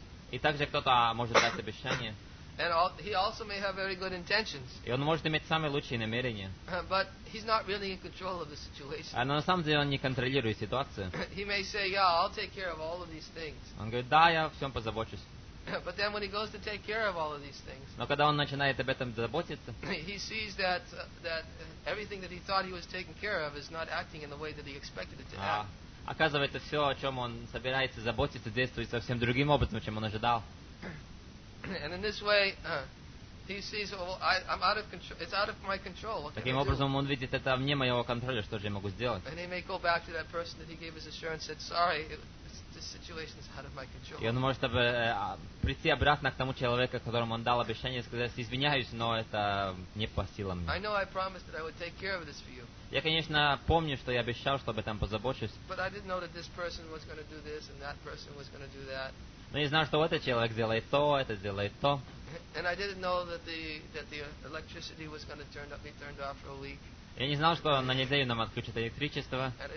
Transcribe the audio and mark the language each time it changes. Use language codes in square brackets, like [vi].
[ru] И также кто-то может дать обещание. [en] And he also may have very good intentions. [ru] И он может иметь самые лучшие намерения. [en] But he's not really in control of the situation. [ru] Но на самом деле он не контролирует ситуацию. [en] He may say, "Yeah, I'll take care of all of these things." [ru] Он говорит, да, я всем позабочусь. [en] But then when he goes to take care of all of these things, [ru] но когда он начинает об этом заботиться, [en] he sees that that everything that he thought he was taking care of is not acting in the way that he expected it to act. [ru] Оказывается, все, о чем он собирается заботиться, действует совсем другим образом, чем он ожидал. [en] And in this way, he sees, well, I'm out of control. It's out of my control. What can [ru] Таким [en] I do? [ru] Образом, он видит, это вне моего контроля, что же я могу сделать? [en] And he may go back to that person that he gave his assurance and said, sorry, this situation is out of my control. [ru] И он может прийти обратно к тому человеку, которому он дал обещание, и сказать, извиняюсь, но это не по силам мне. [en] I know I promised that I would take care of this for you. [ru] Я, конечно, помню, что я обещал, чтобы там позабочусь. [en] But I didn't know that this person was going to do this and that person was going to do that. [ru] Но я знал, что этот человек делает то, это делает то. Я не знал, что на неделю нам отключат электричество.